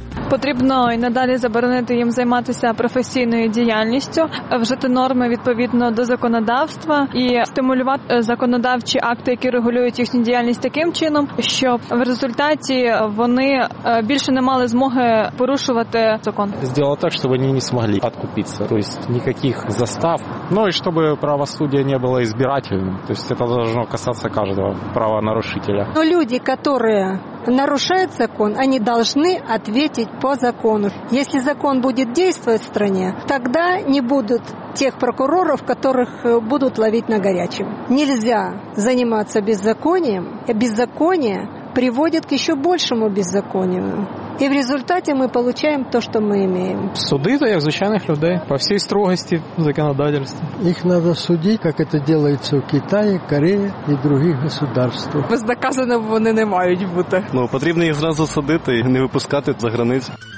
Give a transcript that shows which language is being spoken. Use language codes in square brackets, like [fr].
[uk] Потрібно і надалі заборонити їм займатися професійною діяльністю, вжити норми відповідно до законодавства і стимулювати законодавчі акти, які регулюють їхню діяльність таким чином, щоб в результаті вони більше не мали змоги порушувати закон. Зробити так, щоб вони не змогли підкупитися, тобто ніяких застав. Ну і щоб правосуддя не було збирательним, тобто це має касатися кожного [ru] правонарушителя. Ну, люди, які нарушают закон, они должны ответить по закону. Если закон будет действовать в стране, тогда не будут тех прокуроров, которых будут ловить на горячем. Нельзя заниматься беззаконием. Беззаконие приводит к еще большему беззаконию. [uk] І в результаті ми получаємо те, що ми маємо. Суди, то як звичайних людей, по всій строгості законодавства. Їх треба судити, як це робиться в Китаї, Кореї і інших державах. Бездоказано вони не мають бути. Ну, потрібно їх зразу судити, не випускати за границю.